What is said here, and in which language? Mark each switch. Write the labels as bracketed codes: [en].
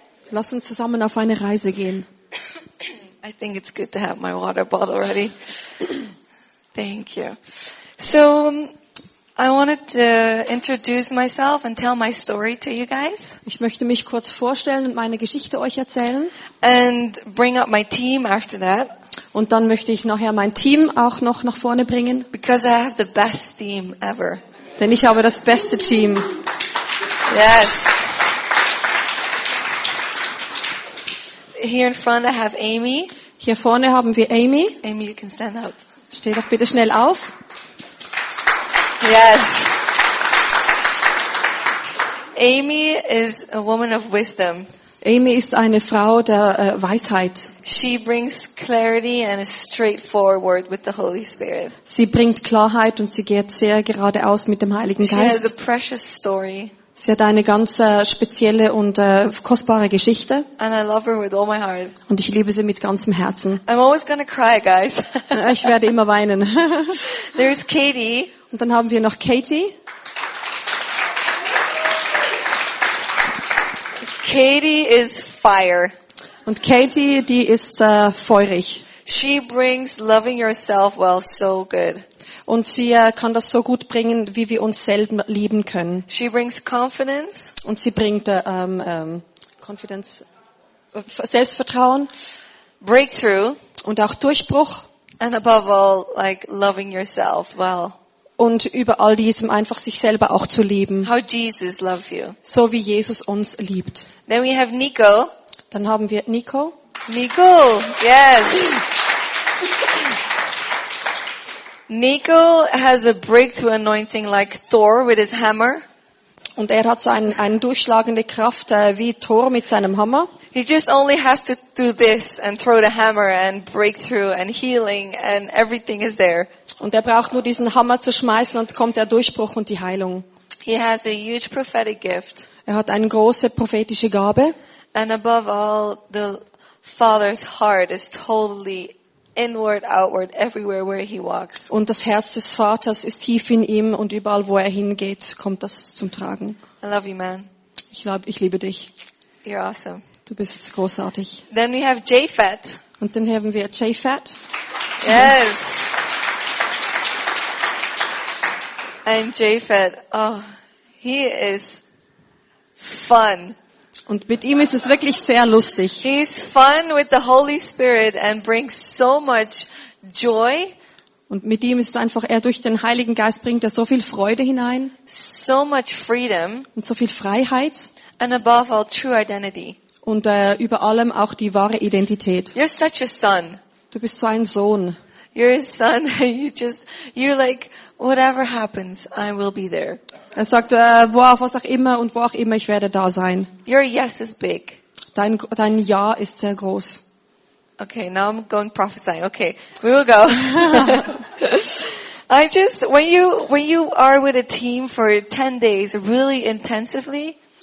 [de] Lass uns zusammen auf eine Reise gehen. [en] I think it's good to have my water bottle ready. Thank you. So, I wanted to introduce myself and tell my story to you guys. [de] Ich möchte mich kurz vorstellen und meine Geschichte euch erzählen. [en] And bring up my team after that. [de] Und dann möchte ich nachher mein Team auch noch nach vorne bringen. [en] Because I have the best team ever. [de] Denn ich habe das beste Team. [en] Yes. Here in front I have Amy. [de] Hier vorne haben wir Amy. [en] Amy, you can stand up. [de] Steh doch bitte schnell auf. [en] Yes. Amy is a woman of wisdom. [de] Amy ist eine Frau der Weisheit. [en] She brings clarity and is straightforward with the Holy Spirit. [de] Sie bringt Klarheit und sie geht sehr geradeaus mit dem Heiligen Geist. [en] She has a precious story. [de] Sie hat eine ganz spezielle und kostbare Geschichte. [en] And I love her with all my heart. [de] Und ich liebe sie mit ganzem Herzen. [en] I'm always gonna cry, guys. [de] Ich werde immer weinen. [en] There is Katie. [de] Und dann haben wir noch Katie. [en] Katie is fire. [de] Und Katie, die ist feurig. [en] She brings loving yourself well so good. [de] Und sie kann das so gut bringen, wie wir uns selbst lieben können. [en] She brings confidence. [de] Und sie bringt confidence, Selbstvertrauen. [en] Breakthrough. [de] Und auch Durchbruch. [en] And above all, like loving yourself well. [de] Und über all diesem einfach sich selber auch zu lieben. [en] How Jesus loves you. [de] So wie Jesus uns liebt. [en] Then we have Nico. [de] Dann haben wir Nico. [en] Nico, yes. Nico has a breakthrough anointing like Thor with his hammer. [de] Und er hat so eine durchschlagende Kraft wie Thor mit seinem Hammer. [en] He just only has to do this and throw the hammer and breakthrough and healing and everything is there. [de] Und er braucht nur diesen Hammer zu schmeißen und kommt der Durchbruch und die Heilung. [en] He has a huge prophetic gift. [de] Er hat eine große prophetische Gabe. [en] And above all, the Father's heart is totally inward, outward, everywhere where he walks. [de] Und das Herz des Vaters ist tief in ihm und überall, wo er hingeht, kommt das zum Tragen. [en] I love you, man. [de] Ich liebe dich. [en] You're awesome. [de] Du bist großartig. [en] Then we have Japhet. [de] Und dann haben wir Japhet. [en] Yes. And Japhet, oh, he is fun. [de] Und mit ihm ist es wirklich sehr lustig. [en] He's fun with the Holy Spirit and brings so much joy. [de] Und mit ihm ist einfach er durch den Heiligen Geist bringt er so viel Freude hinein. [en] So much freedom. [de] Und so viel Freiheit. [en] And above all, true identity. [de] Und über allem auch die wahre Identität. [en] You're such a son. [de] Du bist so ein Sohn. [en] You're a son. You like whatever happens, I will be there. [de] Er sagt, was auch immer und wo auch immer, ich werde da sein. [en] Your yes is big. [de] Dein Ja ist sehr groß. [en] Okay, now I'm going prophesying. Okay, we will go. I just, when you are with a team for 10 days really intensively,